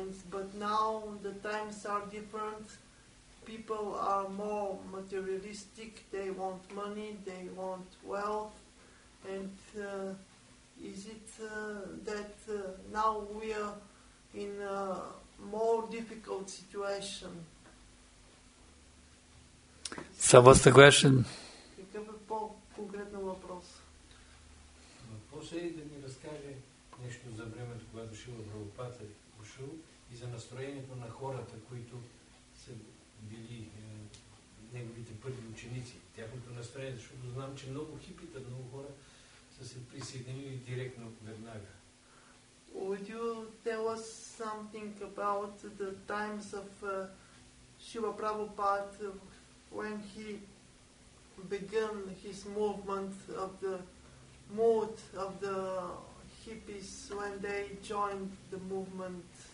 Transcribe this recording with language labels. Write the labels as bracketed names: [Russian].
[English] But now the times are different. People are more materialistic. They want money, they want wealth. And is it that now we are in a more difficult situation? So what's the question? [Bulgarian] Какъв е по-конкретно въпрос? Въпрос е да ми разкаже нещо за времето, когато Шрила Прабхупада е ушъл и за настроението на хората, които са били неговите първи ученици. Тяхното настроение, защото знам, че много хипита, много хора са се присъединили директно веднага. [English] Would you tell us something about the times of Shiva Prabhupada when he began his movement of the mood of the hippies when they joined the movement?